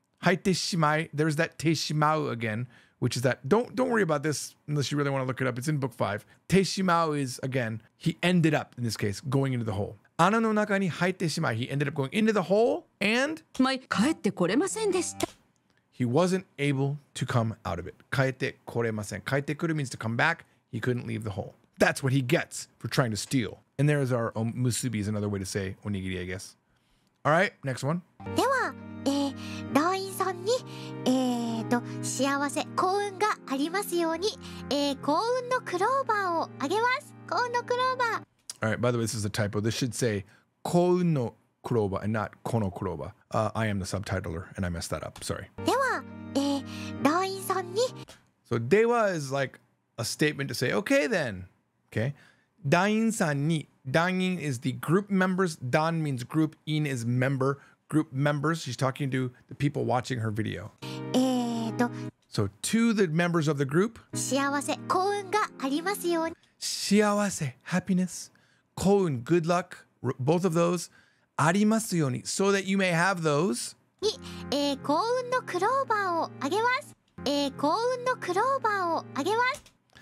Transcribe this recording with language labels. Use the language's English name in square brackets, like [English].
[Japanese] 入ってしまい [English] There's that てしまう again, which is that, don't worry about this unless you really want to look it up. It's in book 5. てしまう is, again, he ended up, in this case, going into the hole. [Japanese] 穴の中に入ってしまい [English] He ended up going into the hole and [Japanese] 帰ってこれませんでした [English] He wasn't able to come out of it. [Japanese] 帰ってこれません. [English] 帰ってくる means to come back. He couldn't leave the hole. That's what he gets for trying to steal. And there is our musubi, is another way to say onigiri, I guess. All right, next one. [Japanese] では、団員さんに、幸せ、幸運がありますように、幸運のクローバーをあげます。幸運のクローバー。 [English] All right, by the way, this is a typo. This should say [Japanese] 幸運のクローバー [English] and not [Japanese] このクローバー。 [English] I am the subtitler and I messed that up. Sorry. [Japanese] では、団員さんに。 [English] So, では is like a statement to say, okay then. Okay. [Japanese] 団員さんに。 [English] 団員 is the group members. 団 means group. 員 is member. Group members. She's talking to the people watching her video. So, to the members of the group. [Japanese] 幸せ、幸運がありますように。 [English] 幸せ、happiness. 幸運、good luck. Both of those. [Japanese] ありますように [English] so that you may have those [Japanese] に、幸運のクローバーをあげます、幸運のクローバーをあげます